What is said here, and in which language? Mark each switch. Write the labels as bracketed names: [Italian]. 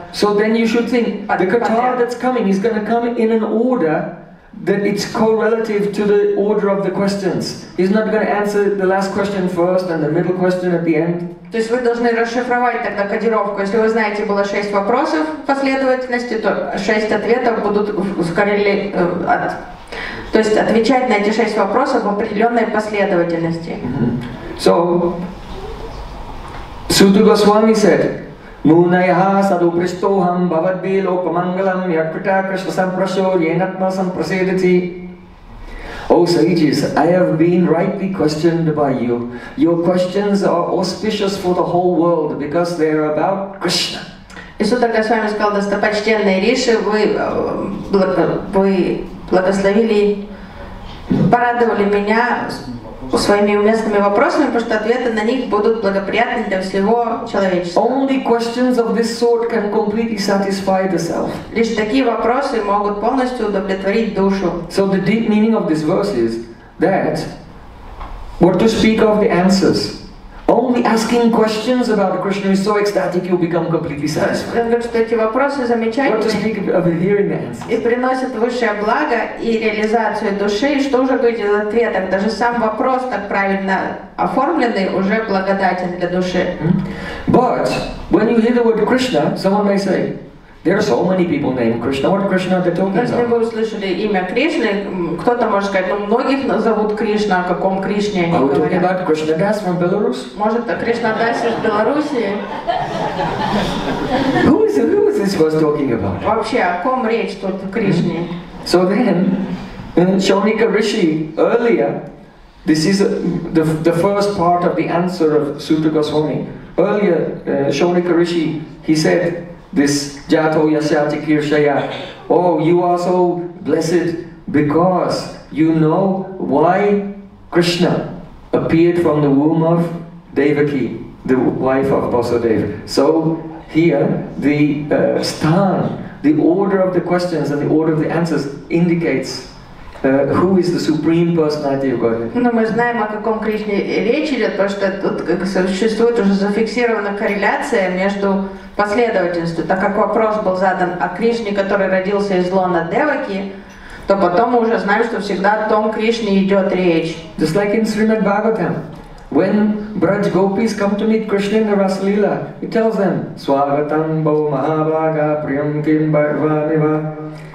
[English] So then you should think, the katha that's coming is going to come in an order that it's correlative to the order of the questions. He's not going to answer the last question first and the middle question at the end. [Russian] То есть вы должны расшифровать тогда кодировку. Если вы знаете, было шесть вопросов в последовательности, то шесть ответов будут скорее... То есть отвечать на эти шесть вопросов в определенной последовательности. [English] So, Sūta Goswami said, [Sanskrit] Мунайха садупристохам бхавадбе лопамангалам якрита кришна сампрасо енатма сампрасидати. [English] Oh sages, I have been rightly questioned by you. Your questions are auspicious for the whole world because they are about Krishna. [Russian] Исута Госвами сказал, достопочтенные риши, вы благословили, порадовали меня своими уместными вопросами, потому что ответы на них будут благоприятны для всего человечества. [English] Only questions of this sort can completely satisfy the self. [Russian] Лишь такие вопросы могут полностью удовлетворить душу. [English] So the deep meaning of this verse is that what to speak of the answers. Only asking questions about Krishna is so ecstatic you become completely satisfied. [Russian] Говорит, что эти вопросы замечательные. [English] What to speak of hearing the answers. [Russian] И приносят высшее благо и реализацию души. И что уже говорить из ответов? Даже сам вопрос так правильно оформленный уже благодатен для души. [English] But when you hear the word Krishna, someone may say, there are so many people named Krishna. What Krishna they're talking about? [Russian] Если вы услышали имя Кришны, кто-то может сказать, ну многих зовут Кришна, о каком Кришне они говорят. [English] Are we talking about Krishna Das from Belarus? [Russian] Может, Кришна Дас из Беларуси? [English] Who is this verse talking about? [Russian] Вообще, о ком речь тут в Кришне? [English] So then, in Shaunika Rishi earlier, this is the first part of the answer of Sutta Goswami. Earlier, Shaunika Rishi, he said, this [Sanskrit] jato yasyati kirshaya, [English] oh, you are so blessed because you know why Krishna appeared from the womb of Devaki, the wife of Vasudeva. So here the sthan, the order of the questions and the order of the answers indicates who is the supreme personality of Godhead? [Russian] Ну, мы знаем, о каком Кришне речь идет, потому что тут существует уже зафиксирована корреляция между последовательностью. Так как вопрос был задан о Кришне, который родился из лона Деваки, то потом мы уже знаем, что всегда о том Кришне идет речь. [English] Just like in Srimad Bhagavatam, when Braj Gopis come to meet Krishna in the Rasalila, he tells them, [Sanskrit] Swagatam Bhav Mahabhaga Priyam Kim Bhavaniva.